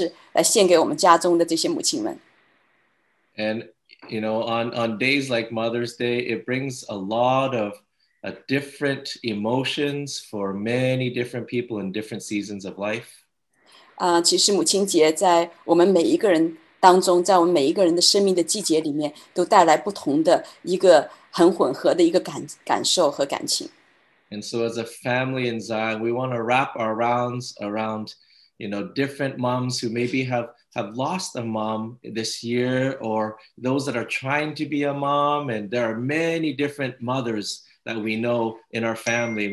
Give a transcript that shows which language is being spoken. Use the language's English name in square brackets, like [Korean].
[Chinese] 所以当我们在抓头皮在想说我们怎么样来这样的来在这个疫情当中来向大家献上感恩的时候，那我们的Jenny就说我们可以有一个好像各种各样的花束，就是用这个视频的形式来献给我们家中的这些母亲们。 [English] And you know, on days like Mother's Day, it brings a lot of different emotions for many different people in different seasons of life. [Chinese] 其实母亲节在我们每一个人当中，在我们每一个人的生命的季节里面，都带来不同的一个很混合的一个感受和感情。 [English] And so as a family in Zion, we want to wrap our arms around, you know, different moms who maybe have lost a mom this year, or those that are trying to be a mom. And there are many different mothers that we know in our family.